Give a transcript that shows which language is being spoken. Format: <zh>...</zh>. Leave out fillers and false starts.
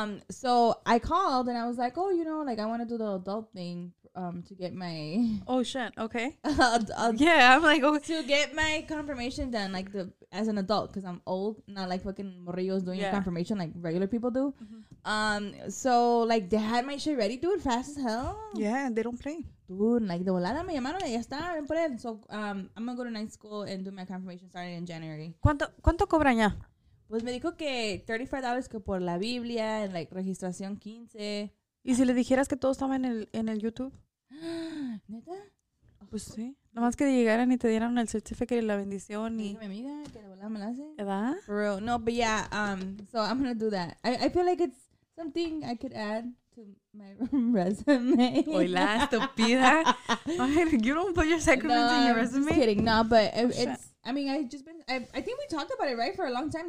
<en>So I called and I was like, oh, you know, like I want to do the adult thing to get my. Oh, shit. Okay. I'm like, okay. To get my confirmation done, like as an adult, because I'm old, not like fucking Morillo's doing your confirmation like regular people do. Mm-hmm. So, like, they had my shit ready, dude, fast as hell. Yeah, they don't play. Dude, like,</en> <es>de volada me llamaron y ya está.</es> <en>So, I'm going to go to night school and do my confirmation starting in January.</en> <es>¿Cuánto cobran ya? Pues me dijo que $35 que por la Biblia</es> <en>and, like,</en> <es>registración 15. ¿Y si le dijeras que todo estaba en el YouTube? ¿Neta? Pues sí. Nomás que llegaran y te dieran el certificate y la bendición. Y mi amiga, que de volada me la hace. ¿Verdad?</es> <en>For real. No, but yeah, so I'm going to do that. I feel like it's something I could add to my resume.</en> <es>Hola, estupida.</es> <en>You don't put your sacraments in your resume? No, I'm kidding. No, but I think we talked about it, right, for a long time.</en>